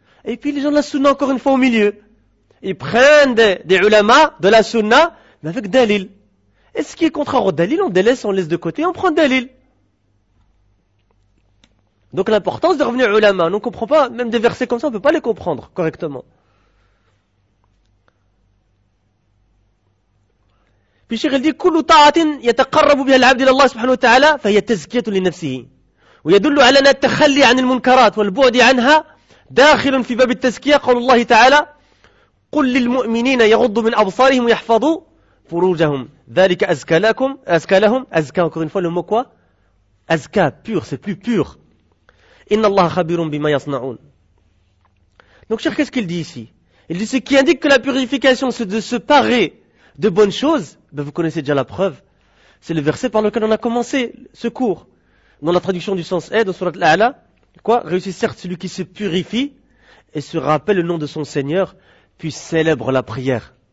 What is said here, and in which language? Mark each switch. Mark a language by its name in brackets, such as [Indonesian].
[French] Et puis, les gens de la Sunna, encore une fois, au milieu. Ils prennent des ulama de la Sunna, mais avec dalil. Et ce qui est contraire au dalil, on délaisse, on laisse de côté, on prend dalil. Donc l'importance de revenir ulama, on ne comprend pas, même des versets comme ça, on ne peut pas les comprendre correctement. Puis Cheikh il dit, [Arabic] كُلُّ طَاعَةٍ يَتَقَرَّبُ بِهَا الْعَبْدِ إِلَى اللَّهِ سُبْحَانَهُ وَتَعَالَى فَهِيَ تَزْكِيَةٌ لِنَفْسِهِ وَيَدُلُّ عَلَى أَنَّ التَّخَلِّي عَنِ الْمُنْكَرَاتِ وَالْبُعْدِ عَنْهَا دَاخِلٌ فِي بَابِ التَّزْكِيَةِ قَوْلُ اللَّهِ تَعَالَى قُلْ لِلْمُؤْمِنِينَ يَغُضُّوا مِنْ أَبْصَارِهِمْ وَيَحْفَظُوا فروجهم ذلك أزكى لكم أزكى لهم أزكى [French] encore une fois le mot quoi [Arabic] أزكى [French] pur c'est plus pur [Arabic] إن الله خبير بما يصنعون. [French] Donc cher, qu'est-ce qu'il dit ici? Il dit ce qui indique que la purification c'est de se parer de bonnes choses. Ben vous connaissez déjà la preuve, c'est le verset par lequel on a commencé ce cours dans la traduction du sens dans sourate Al-A'la. Quoi? Réussit certes celui qui se purifie et se rappelle le nom de son Seigneur puis célèbre la prière.